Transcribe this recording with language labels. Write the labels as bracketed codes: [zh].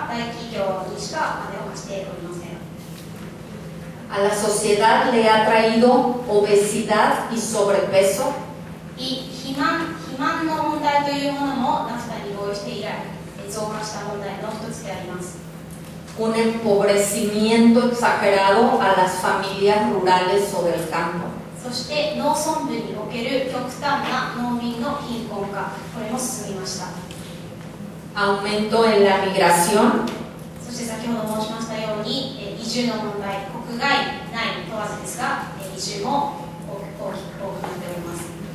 [ja] 小規模農業または漁業の人たちが銀行からお金を借りられる状況にないということです。銀行は大企業にしかお金を貸しておりません。 [es] A la sociedad le ha traído obesidad y sobrepeso. [ja] y肥満の問題というものも、なぜかに合意して以来、増加した問題の一つであります。 [es] un empobrecimiento exagerado a las familias rurales o del campo. [ja] そして農村部における極端な農民の貧困化、これも進みました。 [es] aumento en la migración. [ja] そして先ほど申しましたように、移住の問題、国外内問わずですが、移住も大きくなっております。